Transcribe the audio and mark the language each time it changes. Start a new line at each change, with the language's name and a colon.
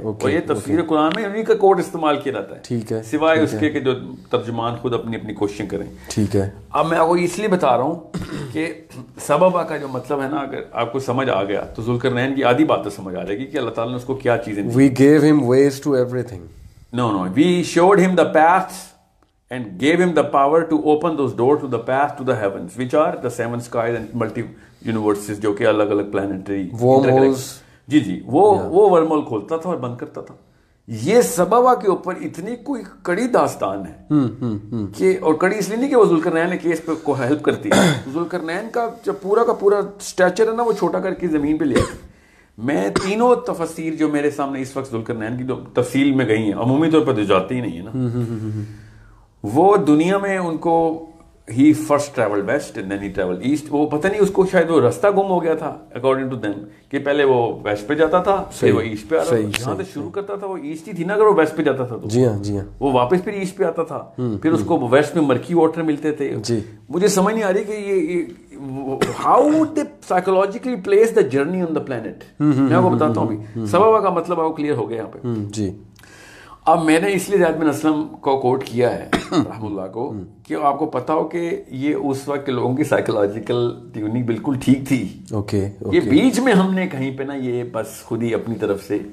Urdu: اور یہ تفسیر قرآن میں انہیں کا کوڈ استعمال کیا جاتا ہے, ٹھیک ہے, سوائے اس کے کہ جو ترجمان خود اپنی اپنی کوششیں کریں, ٹھیک ہے. اب میں آپ کو اس لیے بتا رہا ہوں کہ سبب کا جو مطلب ہے نا, اگر آپ کو سمجھ آ گیا تو ذوالقرنین کی آدھی بات تو سمجھ آ جائے گی کہ اللہ تعالیٰ نے اس کو کیا چیزیں.
English: we gave them ways to everything, no no, we showed them the path and gave them the power to open those door to the path to the heavens which are the seven skies and multi universes,
Urdu: جو کہ الگ الگ planetary
English: wormholes,
Urdu: جی جی, وہ ورم whole کھولتا تھا اور بند کرتا تھا. یہ سبب کے اوپر اتنی کوئی کڑی داستان ہے کہ, اور کڑی اس لیے نہیں کہ وہ ذوالقرنین نے کیس کو ہیلپ کرتی ہے. ذوالقرنین کا جو پورا کا پورا اسٹیچر ہے نا, وہ چھوٹا کر کے زمین پہ لے گئے. میں تینوں تفسیر جو میرے سامنے اس وقت ذوالقرنین کی تفصیل میں گئی ہیں, عمومی طور پر تو جاتی ہی نہیں ہے نا, وہ دنیا میں ان کو ہی
English: First travel west and then he travel east.
Urdu: وہ پتہ نہیں اس کو شاید وہ رستہ گم ہو گیا تھا
English: according to them,
Urdu: کہ پہلے وہ ویسٹ پہ جاتا تھا پھر وہ ایسٹ پہ آ رہا تھا. جہاں سے شروع کرتا تھا وہ ایسٹ ہی تھی نا, اگر وہ ویسٹ پہ جاتا تھا تو جی ہاں جی ہاں, وہ واپس پھر ایسٹ پہ آتا تھا, پھر اس کو ویسٹ میں مرکی واٹر ملتے تھے. جی مجھے سمجھ نہیں آ رہی کہ یہ
English: How they psychologically place the journey on the planet.
Urdu: میں آپ کو بتاتا ہوں, ابھی سبب کا مطلب آپ کو کلیئر ہو گیا یہاں پہ. جی اب میں نے اس لیے زید بن اسلم کو کوٹ کیا ہے رحم اللہ کو, کہ آپ کو پتا ہو کہ یہ اس وقت کے لوگوں کی سائیکولوجیکل ٹیوننگ بالکل ٹھیک تھی. اوکے, یہ بیچ میں ہم نے کہیں پہ نا یہ بس خود ہی اپنی طرف سے